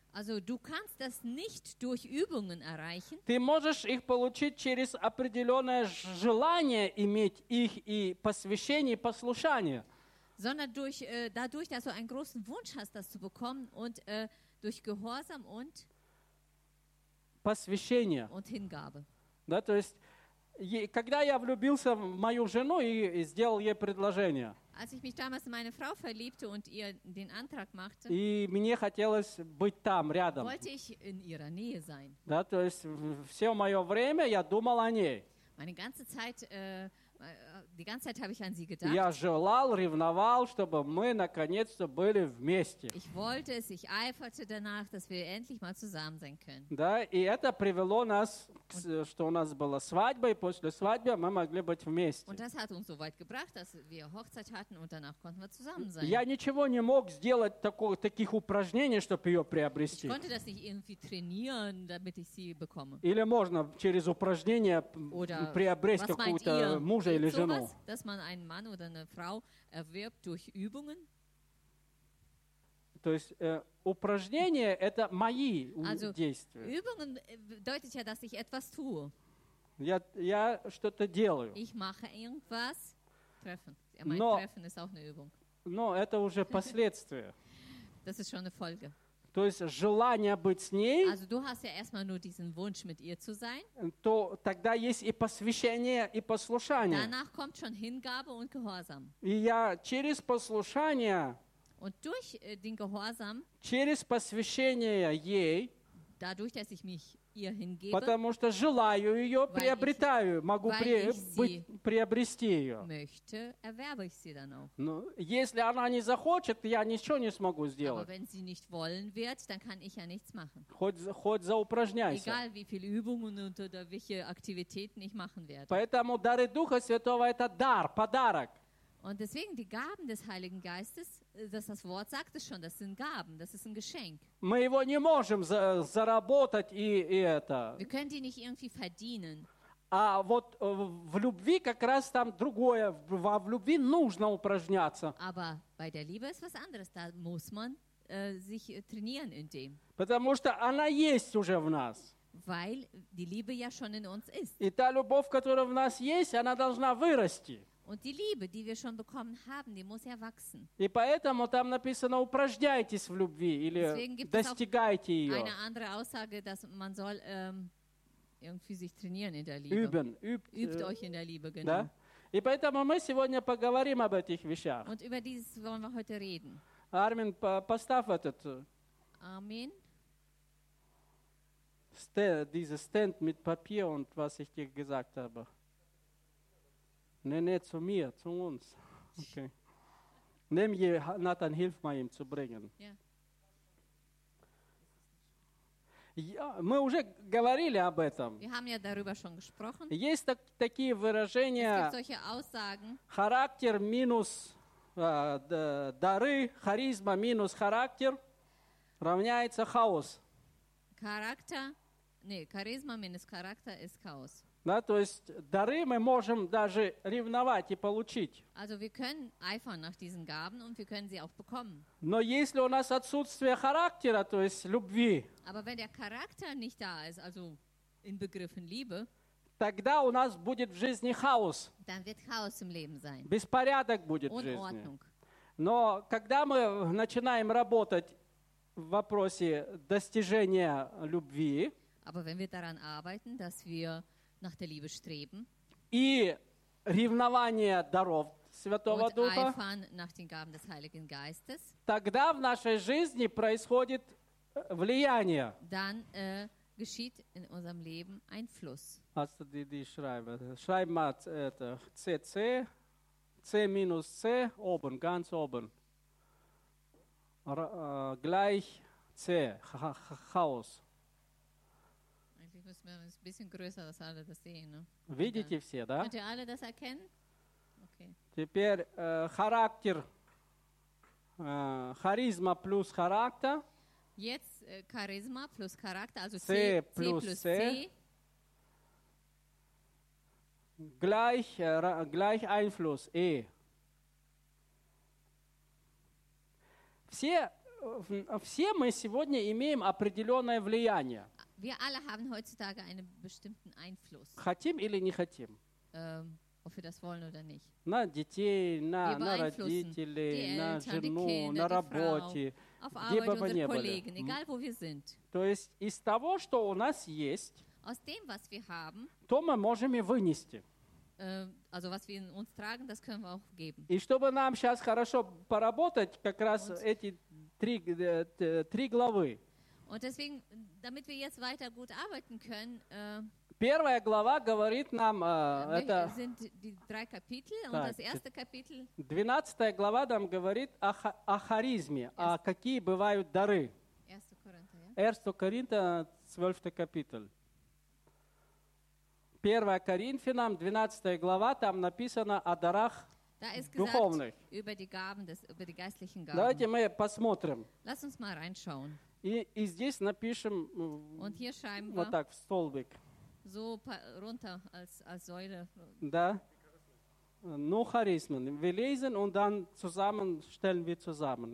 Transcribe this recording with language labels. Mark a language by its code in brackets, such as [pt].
[de] Also du kannst das nicht durch Übungen erreichen. [ru] Ты можешь их получить через определенное желание иметь их и посвящение, послушание. [de] Sondern durch, dadurch, dass du einen großen Wunsch hast, das zu bekommen und durch Gehorsam und [ru] посвящение. [de] Und Hingabe. [ru] Да, то есть, когда я влюбился в мою жену и сделал ей предложение. [de] Als ich mich damals in meine Frau verliebte und ihr den Antrag machte, [ru] и мне хотелось быть там, рядом. [de] Wollte ich in ihrer Nähe sein. [ru] Да, то есть все мое время я думал о ней. [de] Meine ganze Zeit, die ganze Zeit habe ich an sie gedacht. [ru] Я желал, ревновал, чтобы мы наконец-то были вместе. [de] Ich wollte es, ich eiferte danach, dass wir endlich mal zusammen sein können. [ru] Да, и это привело нас, что у нас была свадьба, и после свадьбы мы могли быть вместе. [de] Und das hat uns so weit gebracht, dass wir Hochzeit hatten und danach konnten wir zusammen sein. [ru] Я ничего не мог сделать таких упражнений, чтобы ее приобрести. [de] Ich konnte das nicht irgendwie trainieren, damit ich sie bekomme. [ru] Или можно через упражнения приобрести какого-то мужа или жену. [de] Dass man einen Mann oder eine Frau erwirbt durch Übungen? [ru] То есть упражнения – это мои [de] also, [ru] действия. [de] Übungen bedeutet ja, dass ich etwas tue. [ru] Я что-то делаю. [de] Ich mache irgendwas. Treffen. Ja, mein Treffen ist auch eine Übung. [ru] Но это уже последствия. [de] Das ist schon eine Folge. [ru] То есть желание быть с ней. [de] Also du hast ja erstmal nur diesen Wunsch, mit ihr zu sein. [ru] То тогда есть и посвящение, и послушание. [de] Danach kommt schon Hingabe und Gehorsam. [ru] И я через послушание. [de] Und durch den Gehorsam, [ru] через посвящение ей, [de] dadurch, dass ich mich ihr hingebe, [ru] потому что желаю ее, приобретаю, могу приобрести ее. [de] Möchte, erwerbe ich sie dann auch. [ru] Но если она не захочет, я ничего не смогу сделать. [de] Aber wenn sie nicht wollen wird, dann kann ich ja nichts machen. [ru] Хоть заупражняйся. [de] Egal, wie viele Übungen oder welche Aktivitäten ich machen werde. [ru] Поэтому дары Духа Святого – это дар, подарок. [de] Und deswegen die Gaben des Heiligen Geistes, das Wort sagt es schon, das sind Gaben, das ist ein Geschenk. [ru] Мы его не можем заработать и это. [de] Wir können die nicht irgendwie verdienen. [ru] А вот в любви как раз там другое, в любви нужно упражняться. [de] Aber bei der Liebe ist was anderes, da muss man sich trainieren in dem. [ru] Потому что она есть уже в нас. [de] Weil die Liebe ja schon in uns ist. [ru] И та любовь, которая в нас есть, она должна вырасти. [de] Und die Liebe, die wir schon bekommen haben, die muss ja wachsen. [ru] И поэтому там написано упражняйтесь в любви или достигайте ее. [de] Eine andere Aussage, dass man soll irgendwie sich trainieren in der Liebe. Üben, übt euch in der Liebe, genau. [ru] Да? И поэтому мы сегодня поговорим об этих вещах. [de] Und über dieses wollen wir heute reden. [ru] Армин, поставь этот. [de] Armin. Dieses Stand mit Papier und was ich dir gesagt habe. Nein, zu mir, zu uns. Okay. Nimm je, Nathan, hilf mal ihm zu bringen. [ru] Мы уже говорили об этом. [de] Wir haben ja darüber schon gesprochen. [ru] Есть такие выражения. [de] Es gibt solche Aussagen. [ru] Характер минус дары, харизма минус характер равняется хаос. Характер, нет, харизма минус характер [de] ist Chaos. [ru] Да, то есть дары мы можем даже ревновать и получить. [de] Also wir können eifern nach diesen Gaben und wir können sie auch bekommen. [ru] Но если у нас отсутствие характера, то есть любви. [de] Aber wenn der Charakter nicht da ist, also in Begriffen Liebe, [ru] тогда у нас будет в жизни хаос. [de] Dann wird Chaos im Leben sein. [ru] Беспорядок будет [de] Unordnung. [ru] В жизни. Но когда мы начинаем работать в вопросе достижения любви, [de] aber wenn wir daran arbeiten, dass wir nach der Liebe streben, [ru] и ревнование даров Святого [de] und [ru] Духа, [de] eifern nach den Gaben des Heiligen Geistes, [ru] тогда в нашей жизни происходит влияние. [de] Dann geschieht in unserem Leben ein Fluss. Hast du die Schreibe? Schreib mal [ru] это, [de] CC, C minus C, oben, ganz oben. Gleich C, Chaos. Eigentlich müssen wir es ein bisschen größer, dass alle das sehen. Ne? [ru] Видите dann, все, да? [de] Könnt ihr alle das erkennen? Okay. [ru] Теперь Charakter, Charisma plus Charakter. [de] Jetzt Charisma plus Charakter, also C, C, plus, C. Gleich, gleich Einfluss, E. [ru] Все мы сегодня имеем определенное влияние. [de] Wir alle haben heutzutage einen bestimmten Einfluss. [ru] Хотим или не хотим? [de] Ob wir das wollen oder nicht. [ru] На детей, на родителей, на жену, на работе. [de] Auf Arbeit oder Kollegen, egal wo wir sind. [ru] То есть из того, что у нас есть, [de] aus dem, was wir haben, [ru] то мы можем и вынести. [de] Also was wir in uns tragen, das können wir auch geben. [ru] И чтобы нам сейчас хорошо поработать, как раз und эти три главы. [de] Und deswegen, damit wir jetzt weiter gut arbeiten können, [ru] первая глава говорит нам, это [de] sind die drei Kapitel, так, und das erste Kapitel, [ru] 12 глава нам говорит о харизме, о какие бывают дары. 1 Коринфян, 12 капитул. 1 Коринфянам, 12 глава, там написано о дарах духовных. [de] Über die Gaben des, über die geistlichen Gaben. [ru] Давайте мы посмотрим. [de] Lass uns mal reinschauen. [ru] И здесь напишем [de] und hier schreiben [ru] вот так, в столбик. [de] So runter als Säule. [ru] Да. Ну, харизмен. [de] Wir lesen und dann zusammen stellen wir zusammen.